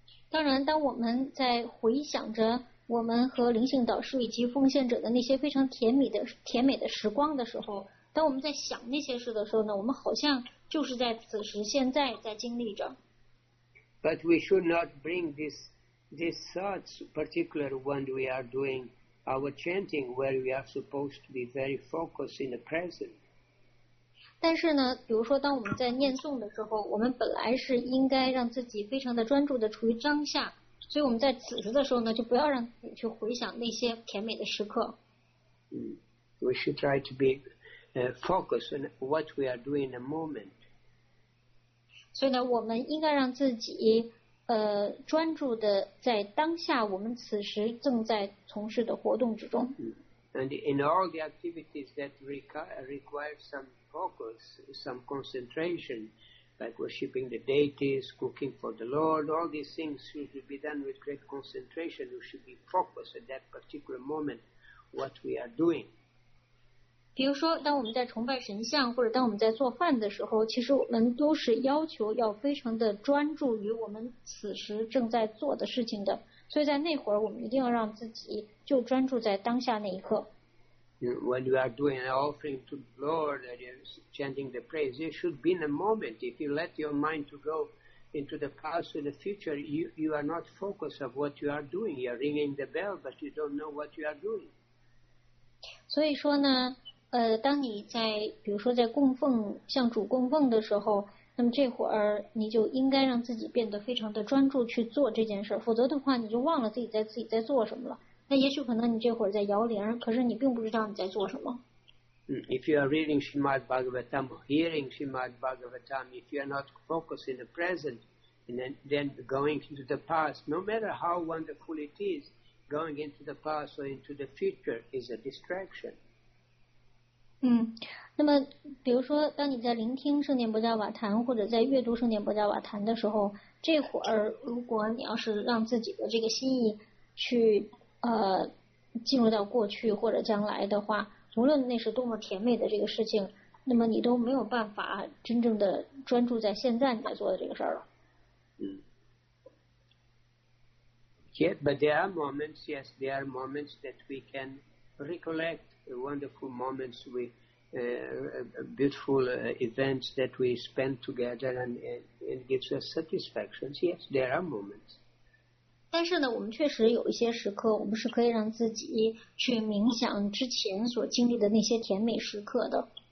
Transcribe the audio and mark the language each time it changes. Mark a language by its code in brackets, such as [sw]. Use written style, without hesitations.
[zh] 当然，当我们在回想着我们和灵性导师以及奉献者的那些非常甜美的时光的时候。当我们在想那些事的时候呢，我们好像就是在此时现在在经历着。 [en] But we should not bring these thoughts, particularly when we are doing our chanting, where we are supposed to be very focused in the present. [zh] 但是呢，比如说当我们在念诵的时候，我们本来是应该让自己非常的专注的处于当下，所以我们在此时的时候呢，就不要让你去回想那些甜美的时刻。 [en] We should try to be. Focus on what we are doing in the moment. [zh] 所以呢，我们应该让自己专注的在当下，我们此时正在从事的活动之中。 [en] And in all the activities that require some focus, some concentration, like worshipping the deities, cooking for the Lord, all these things should be done with great concentration. We should be focused at that particular moment what we are doing. [zh] 比如说当我们在崇拜神像或者当我们在做饭的时候，其实我们都是要求要非常的专注于我们此时正在做的事情的，所以在那会儿我们一定要让自己就专注在当下那一刻。 [en] When you are doing an offering to the Lord and you're chanting the praise, it should be in a moment. If you let your mind to go into the past or the future, you are not focused on what you are doing. You are ringing the bell but you don't know what you are doing. [zh] 所以说呢，当你在比如说在供奉向主供奉的时候，那么这会儿你就应该让自己变得非常的专注去做这件事，否则的话你就忘了自己在做什么了。那也许可能你这会儿在摇铃，可是你并不知道你在做什么。 [en] If you are reading Srimad Bhagavatam or hearing Srimad Bhagavatam, if you are not focused in the present, and then going into the past, no matter how wonderful it is, going into the past or into the future is a distraction. [zh] 那么比如说当你在聆听圣典波迦瓦坛或者在阅读圣典波迦瓦坛的时候，这会儿如果你要是让自己的这个心意去进入到过去或者将来的话，无论那是多么甜美的这个事情，那么你都没有办法真正的专注在现在你在做的这个事儿了。 [en] Yeah, but there are moments, yes, there are moments that we can recollect wonderful moments, with beautiful events that we spend together, and it gives us satisfaction. Yes, there are moments. [zh] 但是呢，我们确实有一些时刻，我们是可以让自己去冥想之前所经历的那些甜美时刻的。